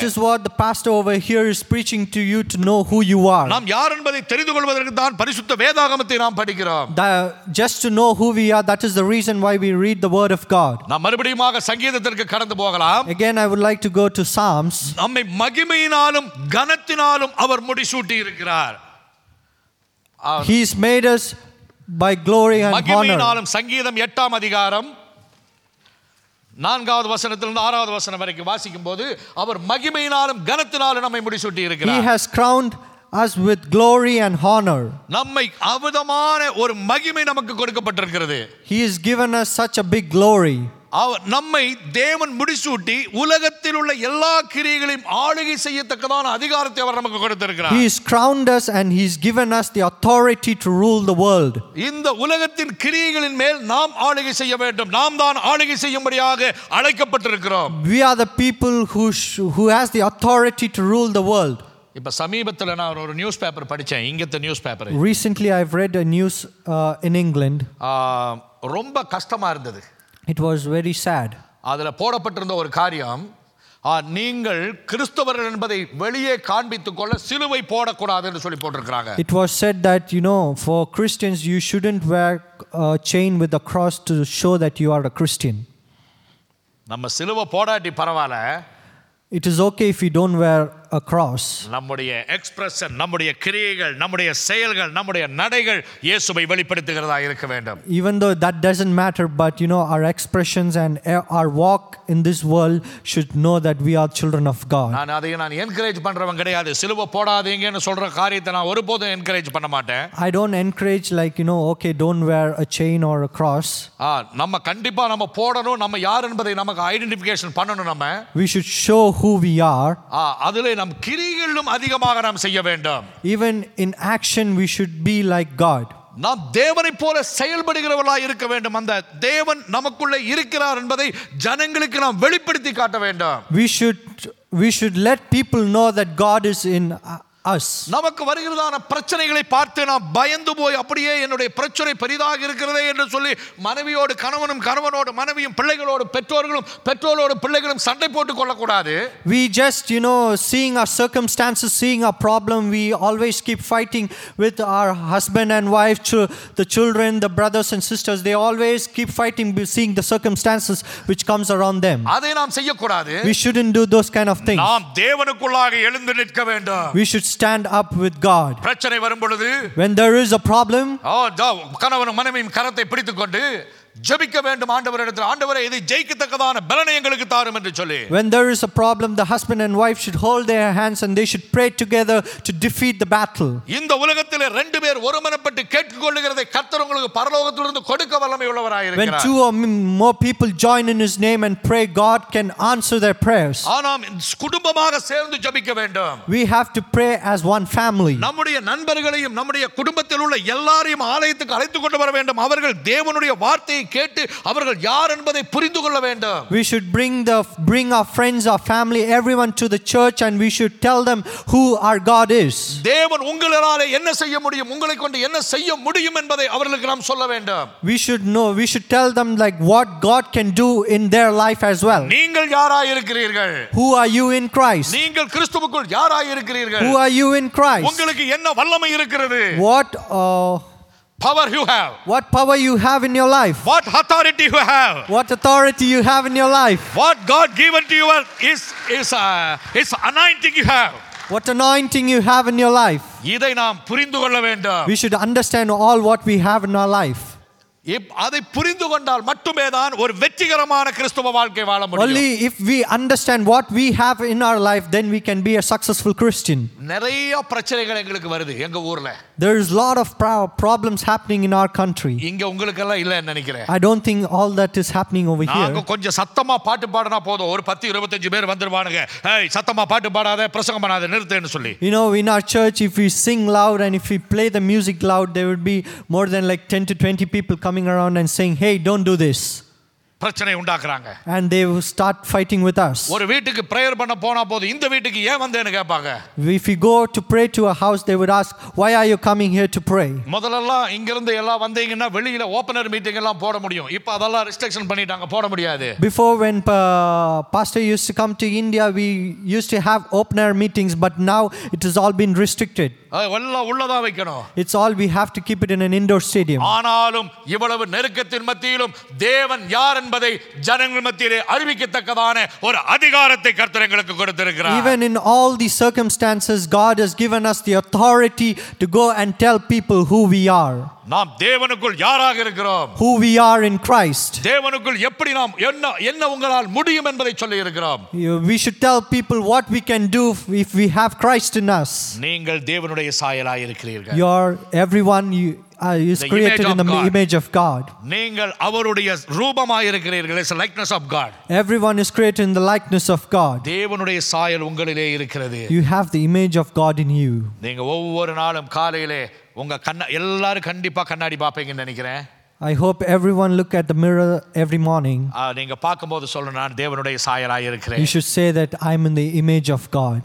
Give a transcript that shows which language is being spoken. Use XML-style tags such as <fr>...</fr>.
<en>is what the pastor over here is preaching to you to know who you are.</en> <ta>நாம் யார் என்பதை தெரிந்து கொள்வதற்கு தான் பரிசுத்த வேதாகமத்தை நாம் படிக்கிறோம்.</ta> <en>Just to know who we are, that is the reason why we read the word of God.</en> <ta>நாம் மறுபடியும் சங்கீதத்திற்கு கடந்து போகலாம்.</ta> <en>Again I would like to go to Psalms.</en> <ta>நம்மை மகிமையினாலும் கனத்தினாலும் அவர் முடிசூட்டி இருக்கிறார்.</ta> <en>He has made us by glory and honor.</en> <ta>சங்கீதம் 8 அதிகாரம் 4 வசனத்திலிருந்து 6 வசனம் வரைக்கும் வாசிக்கும் போது அவர் மகிமையினாலும் கனத்தினாலும் நம்மை முடிசூட்டி இருக்கிறார்.</ta> <en>He has crowned us with glory and honor.</en> <ta>நம்மை அவதமான ஒரு மகிமை நமக்கு கொடுக்கப்பட்டிருக்கிறது.</ta> <en>He has given us such a big glory.</en> <ta>நம்மை தேவன் முடிசூட்டி உலகத்தில் உள்ள எல்லா கிரியைகளையும் ஆளுகை செய்யத்தக்கதான அதிகாரத்தை அவர் நமக்கு கொடுத்திருக்கிறார்.</ta> <en>He has crowned us and he has given us the authority to rule the world.</en> <ta>இந்த உலகத்தின் கிரியைகளின் மேல் நாம் ஆளுகை செய்ய வேண்டும். நாம் தான் ஆளுகை செய்யும்படியாக அழைக்கப்பட்டிருக்கிறோம்.</ta> <en>We are the people who has the authority to rule the world.</en> <ta>இப்ப சமீபத்துல நான் ஒரு நியூஸ் பேப்பர் படிச்சேன். இங்கத்த news paper</ta> <en>Recently I've read a news in England.</en> <ta>ரொம்ப கஷ்டமா இருந்தது.</ta> <en>It was very sad.</en> <ta>அதுல போடப்பட்டிருந்த ஒரு காரியம், நீங்கள் கிறிஸ்தவர்கள் என்பதை வெளியே காண்பித்துக் கொள்ள சிலுவை போடக்கூடாது என்று சொல்லி போட்டிருக்காங்க.</ta> <en>It was said that you know for Christians you shouldn't wear a chain with a cross to show that you are a Christian.</en> <ta>நம்ம சிலுவை போடாட்டி பரவாயில்ல.</ta> <en>It is okay if you don't wear a cross.</en> <ta>நம்முடைய expression, நம்முடைய கிரியைகள், நம்முடைய செயல்கள், நம்முடைய நடைகள் இயேசுவை வெளிப்படுத்துகிறதா இருக்க வேண்டும்.</ta> <en>Even though that doesn't matter, but you know our expressions and our walk in this world should know that we are children of God.</en> <ta>நான் அதைய நான் என்கரேஜ் பண்றவங்க கிடையாது. சிலுவை போடாதீங்கன்னு சொல்ற காரியத்தை நான் ஒருபோதும் என்கரேஜ் பண்ண மாட்டேன்.</ta> <en>I don't encourage like you know okay don't wear a chain or a cross.</en> <ta>நம்ம கண்டிப்பா நம்ம போடணும். நம்ம யார் என்பதை நமக்கு ஐடென்டிஃபிகேஷன் பண்ணணும். நம்ம</ta> <en>we should show who we are.</en> <ta>அதிலே நம் கிரியைகளிலும் அதிகமாக நாம் செய்ய வேண்டும்.</ta> <en>Even in action we should be like God.</en> <ta>நாம் தேவனை போல செயல்படுகிறவர்களாக இருக்க வேண்டும். அந்த தேவன் நமக்குள்ளே இருக்கிறார் என்பதை ஜனங்களுக்கு நாம் வெளிப்படுத்தி காட்ட வேண்டும்.</ta> <en>We should let people know that God is in us.</en> <ta>நமக்கு வருகிறதான பிரச்சனைகளை பார்த்து நாம் பயந்து போய் அப்படியே என்னுடைய பிரச்சனை பெரிதாக இருக்கிறதே என்று சொல்லி மனைவியோடு கணவனும் கணவனோடு மனைவியும் பிள்ளைகளோடு பெற்றோர்களும் பெற்றோரோடு பிள்ளைகளும் சண்டை போட்டுக் கொள்ளக்கூடாது.</ta> <en>We just you know seeing our circumstances, seeing our problem, we always keep fighting with our husband and wife, the children, the brothers and sisters, they always keep fighting seeing the circumstances which comes around them.</en> <ta>அதை நாம் செய்யக்கூடாது.</ta> <en>We shouldn't do those kind of things.</en> <ta>நாம் தேவனுக்குள்ளாக எழுந்து நிற்க வேண்டும்.</ta> <en>We should stand up with God.</en> <ta>பிரச்சனை வரும்பொழுது,</ta> <en>when there is a problem,</en> <ta>கணவனும் மனைவியும் கரத்தை பிடித்துக்கொண்டு ஜெபிக்க வேண்டும். ஆண்டவரிடத்தில், ஆண்டவரே இதை ஜெயிக்கத்தக்கதான பலனை எங்களுக்கு தாரும் என்று சொல்லி.</ta> <en>When there is a problem, the husband and wife should hold their hands and they should pray together to defeat the battle.</en> <ta>இந்த உலகத்தில் ரெண்டு பேர் ஒருமனப்பட்டு கேட்டுக்கொள்ளுகிறதை கர்த்தர் உங்களுக்கு பரலோகத்திலிருந்து கொடுக்க வல்லமை உள்ளவராக இருக்கிறார்.</ta> <en>When two or more people join in his name and pray, God can answer their prayers.</en> <ta>ஆனாம் குடும்பமாக சேர்ந்து ஜெபிக்க வேண்டும்.</ta> <en>We have to pray as one family.</en> <ta>நம்முடைய நண்பர்களையும் நம்முடைய குடும்பத்தில் உள்ள எல்லாரையும் ஆலயத்துக்கு அழைத்துக் கொண்டு வர வேண்டும். அவர்கள் தேவனுடைய வார்த்தையை கேட்டு அவர்கள் யார் என்பதை புரிந்து கொள்ள வேண்டும்.</ta> <en>We should bring our friends, our family, everyone to the church, and we should tell them who our God is.</en> <ta>தேவன் உங்களால என்ன செய்ய முடியும், உங்களை கொண்டு என்ன செய்ய முடியும் என்பதை அவர்களுக்கு நாம் சொல்ல வேண்டும்.</ta> <en>We should know, we should tell them like what God can do in their life as well.</en> <ta>நீங்கள் யாராய் இருக்கிறீர்கள்?</ta> <en>Who are you in Christ?</en> <ta>நீங்கள் கிறிஸ்துவுக்குள் யாராய் இருக்கிறீர்கள்?</ta> <en>Who are you in Christ?</en> <ta>உங்களுக்கு என்ன வல்லமை இருக்கிறது?</ta> <en>What power you have? What power you have in your life? What authority you have? What authority you have in your life? What God given to you is anointing you have? What anointing you have in your life?</en> <ta>இதை நாம் புரிந்துகொள்ள வேண்டும்.</ta> <en>We should understand all what we have in our life.</en> <ta>அதை புரிந்து கொண்டால் மட்டுமே தான் ஒரு வெற்றிகரமான கிறிஸ்தவ வாழ்க்கை வாழ முடியும்.</ta> <en>Only if we understand what we have in our life, then we can be a successful Christian.</en> <ta>நிறைய பிரச்சனைகள் எங்களுக்கு வருது எங்க ஊர்ல.</ta> <en>There is lot of problems happening in our country.</en> <ta>இங்க உங்களுக்கு எல்லாம் இல்லன்னு நினைக்கிறேன்.</ta> <en>I don't think all that is happening over here.</en> <ta>நாங்க கொஞ்சம் சத்தமா பாட்டு பாடினா போதும், ஒரு 10 25 பேர் வந்துருவாங்க. ஹேய், சத்தமா பாட்டு பாடாத, பிரசங்கம் பண்ணாத, நிறுத்துன்னு சொல்லி.</ta> <en>You know, in our church, if we sing loud and if we play the music loud, there would be more than like 10 to 20 people coming around and saying, hey, don't do this.</en> <ta>பிரச்சனை உண்டாக்குறாங்க.</ta> <en>And they will start fighting with us.</en> <ta>ஒரு வீட்டுக்கு prayer பண்ண போனா போது இந்த வீட்டுக்கு ஏன் வந்தேன்னு கேட்பாங்க.</ta> <en>If you go to pray to a house, they would ask, why are you coming here to pray?</en> <ta>முதல்லலாம் இங்க இருந்து எல்லாம் வந்தீங்கன்னா வெளியில ஓபனர் மீட்டிங் எல்லாம் போட முடியும். இப்போ அதெல்லாம் ரெஸ்ட்ரிக்ஷன் பண்ணிட்டாங்க, போட முடியாது.</ta> <en>Before, when pastor used to come to India, we used to have open air meetings, but now it has all been restricted. It's all we have to keep it in an indoor stadium.</en> <ta>ஆனாலும் இவ்வளவு நெருக்கத்தின் மத்தியிலும் தேவன் யார் என்பதை ஜனங்கள் மத்தியிலே அறிவிக்கத்தக்கதான ஒரு அதிகாரத்தை கர்த்தர் எங்களுக்கு கொடுத்திருக்கிறார்.</ta> <en>Even in all the circumstances, God has given us the authority to go and tell people who we are.</en> <ta>நாம் தேவனுக்குள் யாராக இருக்கிறோம்?</ta> <en>Who we are in Christ.</en> <ta>தேவனுக்குள் எப்படி நாம் என்ன உங்களால் முடியும் என்பதை சொல்லி இருக்கிறோம்.</ta> <en>We should tell people what we can do if we have Christ in us.</en> <ta>நீங்கள் தேவனுடைய சாயலாய் இருக்கிறீர்கள்.</ta> <en>You are everyone you is created in the image of God.</en> <ta>நீங்கள் அவருடைய ரூபமாய் இருக்கிறீர்கள்.</ta> <en>It's a likeness of God. Everyone is created in the likeness of God.</en> <ta>தேவனுடைய சாயல் உங்களிலே இருக்கிறது.</ta> <en>You have the image of God in you.</en> <ta>நீங்க ஒவ்வொரு நாளும் காலையிலே உங்க கண்ண எல்லாரும் கண்டிப்பா கண்ணாடி பாப்பீங்கன்னு நினைக்கிறேன்.</ta> <en>I hope everyone look at the mirror every morning.</en> <ta>நீங்க பாக்கும்போது சொல்லணும், நான் தேவனுடைய சாயலாய் இருக்கிறேன்.</ta> <en>You should say that I am in the image of God.</en>